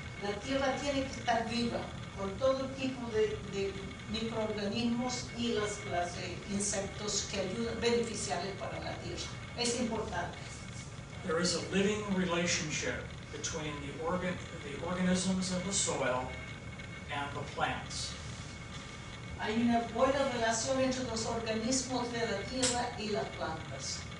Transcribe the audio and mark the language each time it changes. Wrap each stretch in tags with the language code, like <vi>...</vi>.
<es>La tierra tiene que estar viva con todo tipo de microorganismos y los insectos que ayudan beneficiales para la tierra. Es importante.</es> <en>There is a living relationship between the organisms in the soil and the plants.</en> <es>Hay una buena relación entre los organismos de la tierra y las plantas.</es>